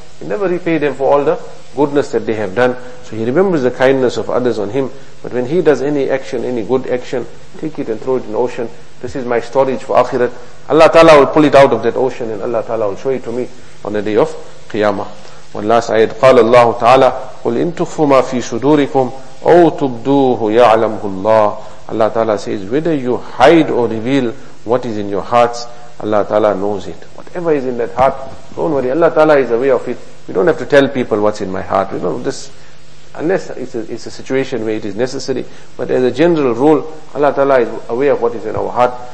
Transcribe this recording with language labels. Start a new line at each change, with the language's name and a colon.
English: He never repay them for all the goodness that they have done. So he remembers the kindness of others on him. But when he does any action, any good action, take it and throw it in the ocean. This is my storage for akhirat. Allah Ta'ala will pull it out of that ocean and Allah Ta'ala will show it to me on the day of Qiyamah. One last ayat.
Arabic: قال الله تعالى قل إن تخفوا ما في صدوركم أو تبدوه يعلمه الله.
English: Allah Ta'ala says, whether you hide or reveal what is in your hearts, Allah Ta'ala knows it. Whatever is in that heart, don't worry. Allah Ta'ala is aware of it. We don't have to tell people what's in my heart. We don't just, unless it's a situation where it is necessary. But as a general rule, Allah Ta'ala is aware of what is in our heart.